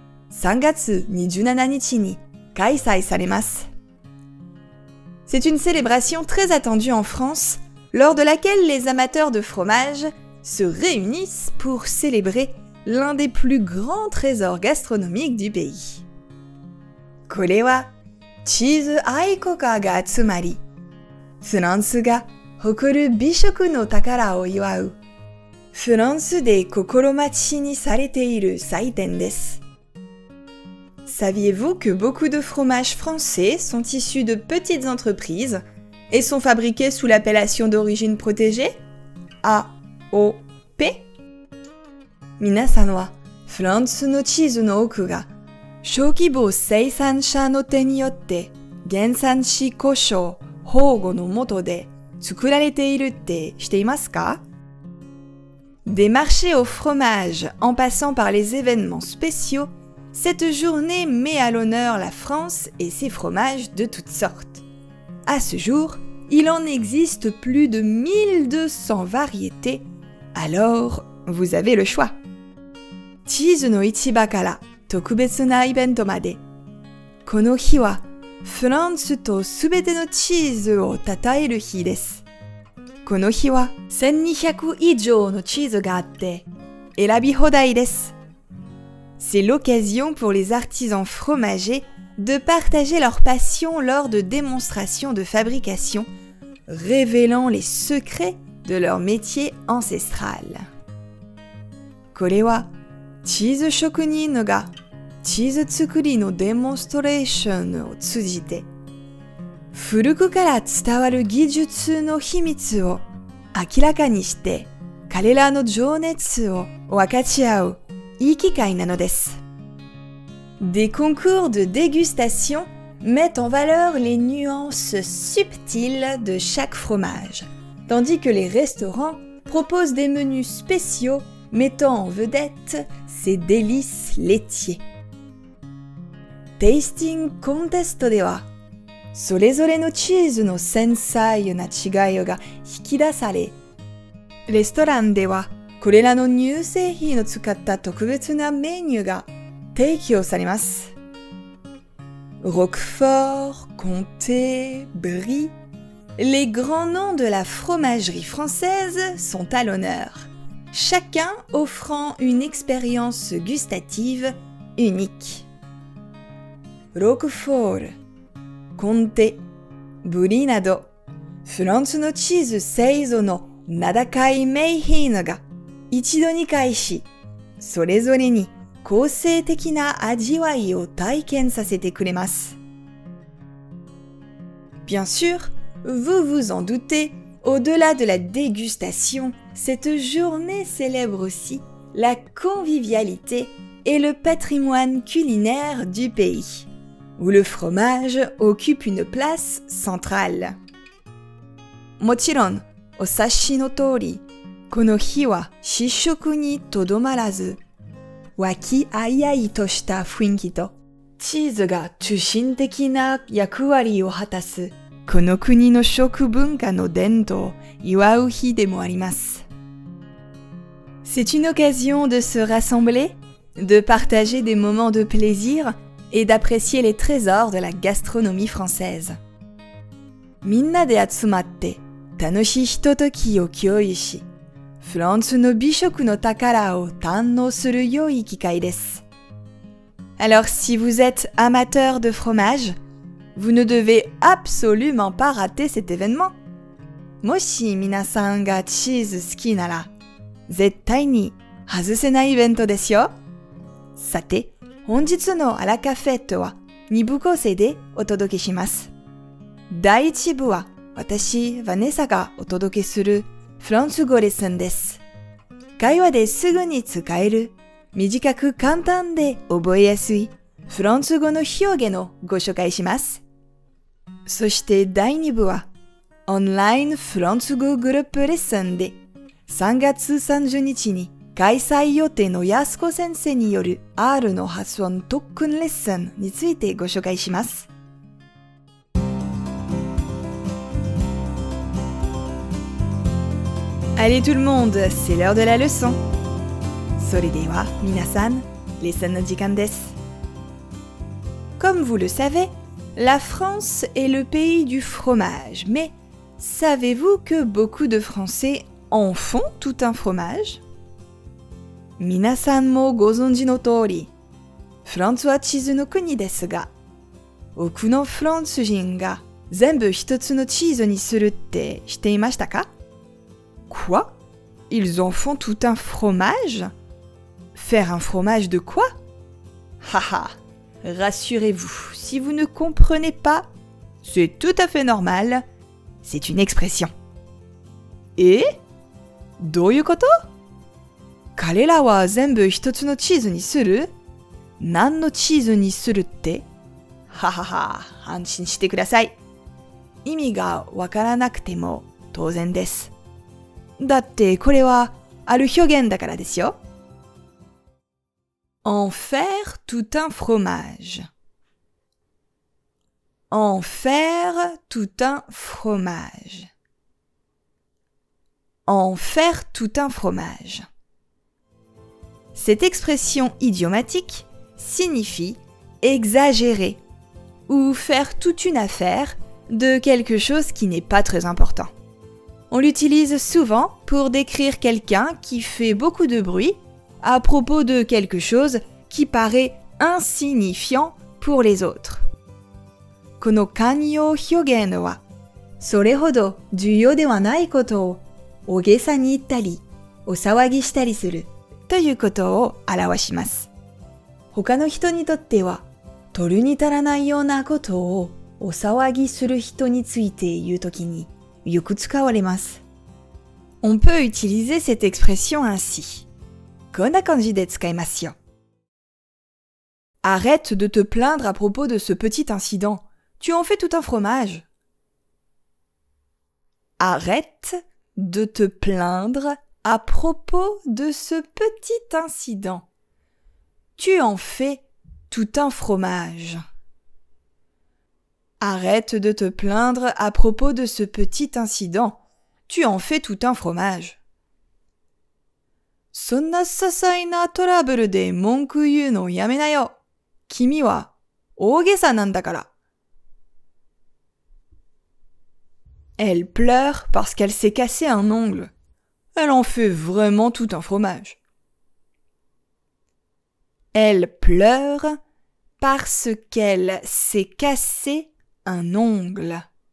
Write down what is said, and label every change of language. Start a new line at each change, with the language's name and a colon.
Japanese: 3 月27 日に開催されます.
French: C'est une célébration très attendue en France, lors de laquelle les amateurs de fromage se réunissent pour célébrer l'un des plus grands trésors gastronomiques du pays.
Japanese: これはチーズ愛好家が集まり、フランスが誇る美食の宝を祝う、フランスで心待ちにされている祭典です。
French: Saviez-vous que beaucoup de fromages français sont issus de petites entreprises et sont fabriqués sous l'appellation d'origine protégée AOP?
Japanese: 皆さんは、フランスのチーズの多くが、小規模生産者の手によって、原産地呼称保護のもとで作られているって知っていますか?
French: Des marchés au fromage, en passant par les événements spéciaux, cette journée met à l'honneur la France et ses fromages de toutes sortes. À ce jour, il en existe plus de 1200 variétés, alors vous avez le choix!
Japanese: チーズの市場から特別なイベントまで。この日はフランスとすべてのチーズをたたえる日です。この日は1200以上のチーズがあって選び放題です。
French: C'est l'occasion pour les artisans fromagers de partager leur passion lors de démonstrations de fabrication, révélant les secrets de leur métier ancestral.
Japanese: これはチーズ職人がチーズ作りのデモンストレーションを通じて古くから伝わる技術の秘密を明らかにして彼らの情熱を分かち合ういい機会なのです。
French: Des concours de dégustation mettent en valeur les nuances subtiles de chaque fromage, tandis que les restaurants proposent des menus spéciauxmettant en vedette ses délices laitiers.
English: Tasting contest
Japanese: では、それぞれのチーズの繊細な違いが引き出され、レストランでは、これらの乳製品を使った特別なメニューが提供されます。
French: Roquefort, Comté, Brie, les grands noms de la fromagerie française sont à l'honneur. Chacun offrant une expérience gustative unique.
Japanese: Roquefort, Comté, Brie など、フランスのチーズ製造の名高い名品が一度に返し、それぞれに個性的な味わいを体験させてくれます。
French: Bien sûr, vous vous en doutez, au-delà de la dégustation,Cette journée célèbre aussi la convivialité et le patrimoine culinaire du pays, où le fromage occupe une place centrale.
Japanese: もちろん、お察しの通り、この日は試食にとどまらず、和気あいあいとした雰囲気と、チーズが中心的な役割を果たす、この国の食文化の伝統を祝う日でもあります。
French: C'est une occasion de se rassembler, de partager des moments de plaisir et d'apprécier les trésors de la gastronomie française.
Japanese: みんなで集まって楽しいひとときを共有し、フランスの美食の宝を堪能する良い機会です。
French: Alors si vous êtes amateur de fromage, vous ne devez absolument pas rater cet événement.
Japanese: もし皆さんがチーズ好きなら、絶対に外せないイベントですよ。さて、本日のアラカフェットは2部構成でお届けします。第1部は私、ヴァネサがお届けするフランス語レッスンです。会話ですぐに使える、短く簡単で覚えやすいフランス語の表現をご紹介します。そして第2部はオンラインフランス語グループレッスンで3月30日に開催予定の安子先生による R の発音特訓レッスンについてご紹介します。
French: Allez tout le monde, c'est l'heure de la leçon.
Japanese: それでは皆さん、レッスンの時間です。
French: Comme vous le savez, la France est le pays du fromage, maisSavez-vous que beaucoup de Français en font tout un fromage?
Japanese: 皆さんもご存知の通り、フランスはチーズの国ですが、多くのフランス人が全部一つのチーズにするって知っていましたか?
French: Quoi? Ils en font tout un fromage? Faire un fromage de quoi? Haha, rassurez-vous, si vous ne comprenez pas, c'est tout à fait normal. C'est une expression. Et?
Japanese: どういうこと? 彼らは全部一つのチーズにする?何のチーズにするって? ははは、安心してください。意味がわからなくても当然です。だってこれはある表現だからですよ。
French: En faire tout un fromage. En faire tout un fromage. En faire tout un fromage. Cette expression idiomatique signifie exagérer ou faire toute une affaire de quelque chose qui n'est pas très important. On l'utilise souvent pour décrire quelqu'un qui fait beaucoup de bruit à propos de quelque chose qui paraît insignifiant pour les autres.
Japanese: この慣用表現は、それほど重要ではないことを大げさに言ったり、お騒ぎしたりするということを表します。他の人にとっては、取るに足らないようなことをお騒ぎする人について言うときによく使われます。
French: On peut utiliser cette expression ainsi.
Japanese: こんな感じで使いますよ。
French: Arrête de te plaindre à propos de ce petit incident. Tu en fais tout un fromage. Arrête de te plaindre à propos de ce petit incident. Tu en fais tout un fromage. Arrête de te plaindre à propos de ce petit incident. Tu en fais tout un fromage.
Japanese: そんな些細なトラブルで文句言うのやめなよ。君は大げさなんだから。
French: Elle pleure parce qu'elle s'est cassé un ongle. Elle en fait vraiment tout un fromage. Elle pleure parce qu'elle s'est cassé un ongle.